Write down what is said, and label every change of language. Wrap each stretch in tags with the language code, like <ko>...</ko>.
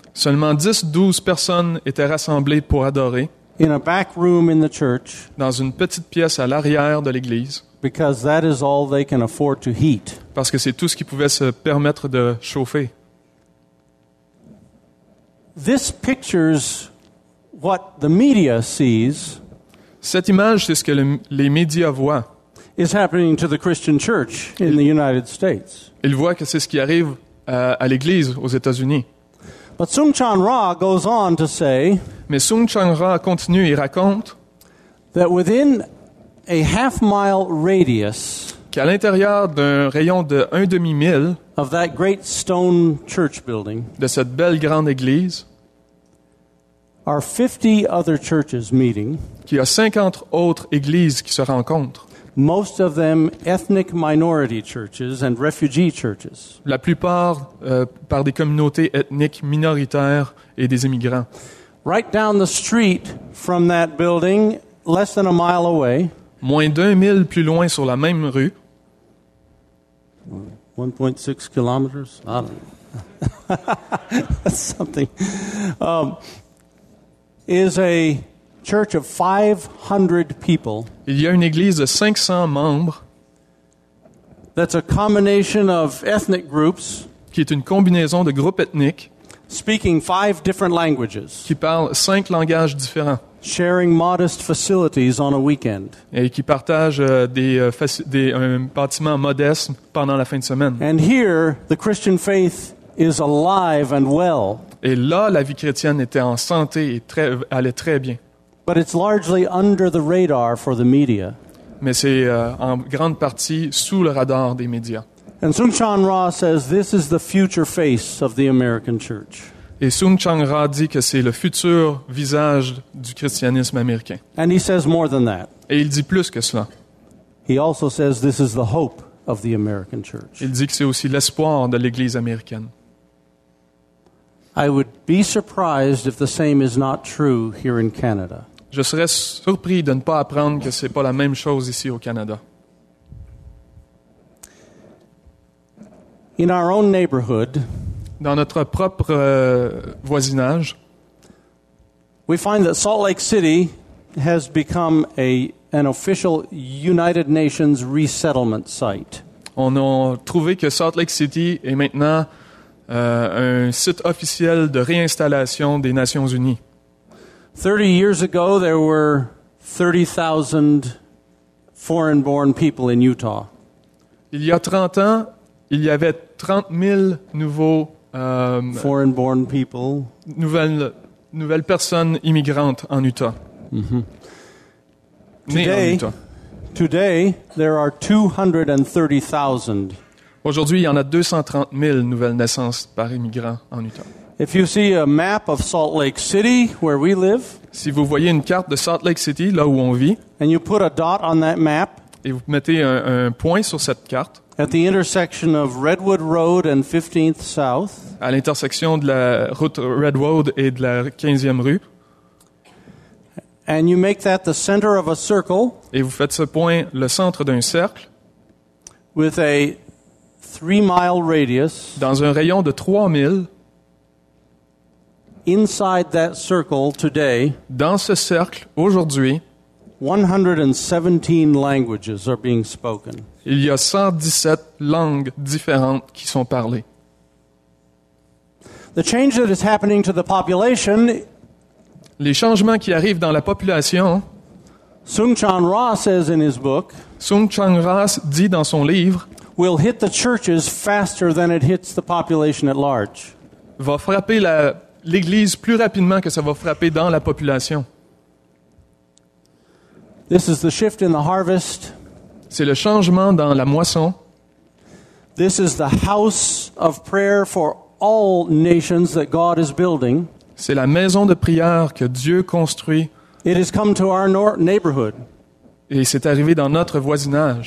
<fr>Seulement 10-12 personnes étaient rassemblées pour adorer.</fr> <en>In a back room in the church,</en> <fr>dans une petite pièce à l'arrière de l'église,</fr> <en>because that is all they can afford to heat.</en> <fr>Parce que c'est tout ce qu'ils pouvaient se permettre de chauffer.</fr> <en>This pictures what the media sees.</en> <fr>Cette image, c'est ce que les médias voient.</fr> <en>Is happening to the Christian church in the United States.</en> <fr>Ils voient que c'est ce qui arrive à l'église aux États-Unis.</fr> <en>But Sung Chan Ra goes on to say.</en> <fr>Mais Sung Chan Ra continue et raconte</fr> <en>that within a half mile radius,</en> <fr>qu'à l'intérieur d'un rayon de 1/2 mile</fr> <en>of that great stone church building,</en> <fr>de cette belle grande église,</fr> <en>are 50 other churches meeting,</en> <fr>qu'il y a 50 autres églises qui se rencontrent.</fr> <en>Most of them ethnic minority churches and refugee churches.</en> <fr>La plupart par des communautés ethniques minoritaires et des immigrants.</fr> <en>Right down the street from that building, less than a mile away.</en> <fr>Moins d'un mille plus loin sur la même rue.</fr> <en>1.6 kilometers. I don't know. That's something. Is a church of 500 people.</en> <fr>Il y a une église de 500 membres.</fr> <en>That's a combination of ethnic groups.</en> <fr>Qui est une combinaison de groupes ethniques.</fr> <en>Speaking 5 different languages.</en> <fr>Qui parle 5 langages différents.</fr> <en>Sharing modest facilities on a weekend.</en> <fr>Et qui partage un bâtiment modeste pendant la fin de semaine.</fr> <en>And here the Christian faith is alive and well.</en> <fr>Et là la vie chrétienne était en santé et allait très bien.</fr> <en>But it's largely under the radar for the media.</en> <fr>Mais c'est en grande partie sous le radar des médias.</fr> <en>And Sung Chan Ra says this is the future face of the American church.</en> <fr>Et Sung Chan Ra dit que c'est le futur visage du christianisme américain.</fr> <en>And he says more than that.</en> <fr>Et il dit plus que cela.</fr> <en>He also says this is the hope of the American church.</en> <fr>Il dit que c'est aussi l'espoir de l'église américaine.</fr> <en>I would be surprised if the same is not true here in Canada.</en> <fr>Je serais surpris de ne pas apprendre que c'est pas la même chose ici au Canada.</fr> <en>In our own neighborhood,</en> <fr>dans notre propre voisinage,</fr> <en>we find that Salt Lake City has become an official United Nations resettlement site.</en> <fr>On a trouvé que Salt Lake City est maintenant un site officiel de réinstallation des Nations Unies.</fr> <en>30 years ago, there were 30,000 foreign-born people in Utah.</en> <fr>Il y a 30 ans, il y avait 30 000 nouveaux</fr> <en>foreign-born people.</en> <fr>Nouvelles personnes immigrantes en Utah.</fr> <en>Mm-hmm.</en> <fr>Nées en Utah.</fr> <en>Today, there are 230,000.</en> <fr>Aujourd'hui, il y en a 230 000 nouvelles naissances par immigrant en Utah.</fr> <en>If you see a map of Salt Lake City, where we live,</en> <fr>si vous voyez une carte de Salt Lake City, là où on vit,</fr> <en>and you put a dot on that map,</en> <fr>et vous mettez un point sur cette carte,</fr> <en>at the intersection of Redwood Road and 15th South,</en> <fr>à l'intersection de la route Redwood et de la 15e rue,</fr> <en>and you make that the center of a circle,</en> <fr>et vous faites ce point le centre d'un cercle,</fr> <en>with a 3-mile radius,</en> <fr>dans un rayon de 3 milles,</fr> <en>inside that circle today,</en> <fr>dans ce cercle aujourd'hui,</fr> <en>117 languages are being spoken.</en> <fr>Il y a 117 langues différentes qui sont parlées.</fr> <en>The change that is happening to the population,</en> <fr>les changements qui arrivent dans la population,</fr> <en>Sung Chan Ra says in his book,</en> <fr>Sung Chan Ra dit dans son livre,</fr> <en>will hit the churches faster than it hits the population at large.</en> <fr>Va frapper l'église plus rapidement que ça va frapper dans la population.</fr> <en>This is the shift in the harvest.</en> <fr>C'est le changement dans la moisson.</fr> <en>This is the house of prayer for all nations that God is building.</en> <fr>C'est la maison de prière que Dieu construit.</fr> <en>It has come to our neighborhood.</en> <fr>Et c'est arrivé dans notre voisinage.</fr>